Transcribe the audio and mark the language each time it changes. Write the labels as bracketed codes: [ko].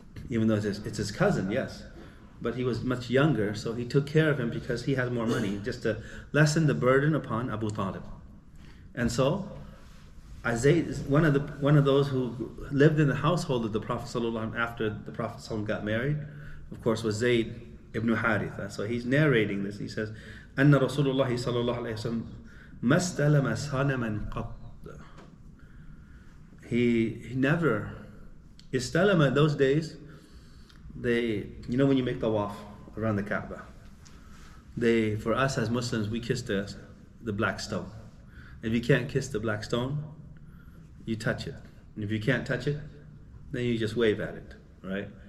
[en] Even though it's his cousin, yes. But he was much younger, so he took care of him because he has more money, just to lessen the burden upon Abu Talib. And so, Zayd is one of those who lived in the household of the Prophet ﷺ after the Prophet ﷺ got married, of course, was Zayd ibn Haritha. So he's narrating this. He says, [ar] أن رسول الله صلى الله عليه وسلم ما استلم صنما قط. [en] He never استلم. In those days, they, you know, when you make tawaf around the Kaaba, they, for us as Muslims, we kiss the black stone. If you can't kiss the black stone, you touch it. And if you can't touch it, then you just wave at it, right?